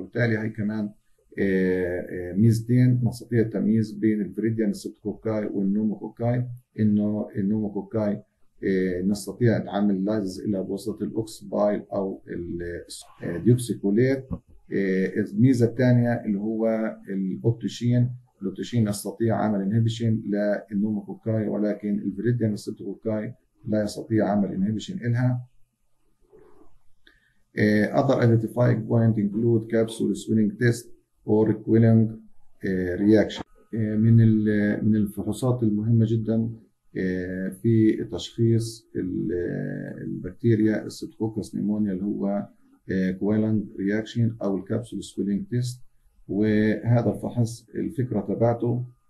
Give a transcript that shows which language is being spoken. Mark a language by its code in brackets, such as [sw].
[ar] وبالتالي هي كمان ميزتين نستطيع التمييز بين الفريديان سيبتوكوكاي والنوموكوكاي، انه النوموكوكاي نستطيع نعمل لايزز الى بواسطه الاوكس بايل او الديوكسيكوليت. الميزه الثانيه اللي هو الاوبتشين، الاوبتشين نستطيع عمل انهبيشن للنوموكوكاي ولكن الفريديان سيبتوكوكاي لا يستطيع عمل انهبيشن الها. [en] Other identifying point include capsule swelling test or quelling reaction. [ar] من الفحوصات المهمة جدا في تشخيص البكتيريا الستروكوكس نيمونيا اللي هو quelling reaction أو capsule swelling test، وهذا الفحص الفكرة تبعته